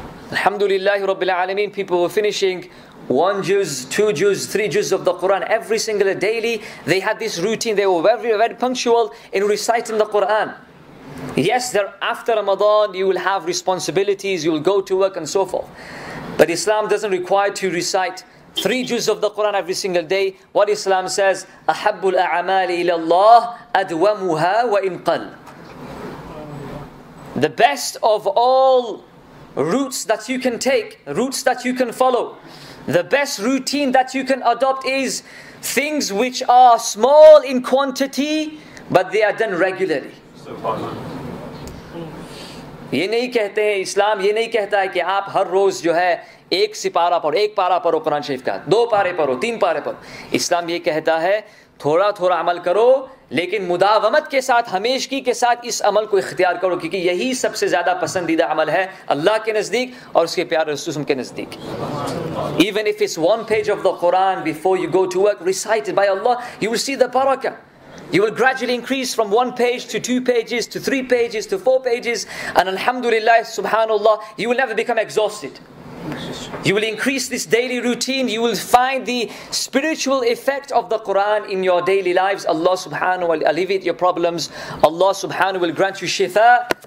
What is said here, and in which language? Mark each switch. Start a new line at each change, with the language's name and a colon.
English: Alhamdulillah Rabbil Alameen, people were finishing 1 juz, 2 juz, 3 juz of the Quran every single daily. They had this routine, they were very, very punctual in reciting the Quran. Yes, after Ramadan you will have responsibilities, you will go to work and so forth. But Islam doesn't require to recite 3 juz of the Quran every single day. What Islam says,
Arabic: أَحَبُّ الْأَعَمَالِ إِلَى اللَّهِ أَدْوَمُهَا وَإِنْ قَلْ.
English: The best of all routes that you can take, routes that you can follow, the best routine that you can adopt is things which are small in quantity, but they are done regularly.
Hindi: ये नहीं कहते हैं, इस्लाम ये नहीं कहता है कि आप हर रोज जो है एक सिपारा पढ़ो, एक पारा पढ़ो कुरान शरीफ का, दो पारे पढ़ो, तीन पारे पढ़ो. इस्लाम ये कहता है थोड़ा थोड़ा अमल करो, लेकिन मुदावमत के साथ, हमेशगी के साथ इस अमल को इख्तियार करो, क्योंकि यही सबसे ज्यादा पसंदीदा अमल है अल्लाह के नज़दीक और उसके प्यारे रसूल के नज़दीक.
English: Even if it's 1 page of the Quran before you go to work, recited by Allah, you will see the barakat. You will gradually increase from 1 page to 2 pages to 3 pages to 4 pages. And alhamdulillah, subhanallah, you will never become exhausted. You will increase this daily routine. You will find the spiritual effect of the Quran in your daily lives. Allah subhanahu wa ta'ala will alleviate your problems. Allah subhanahu will grant you shifa.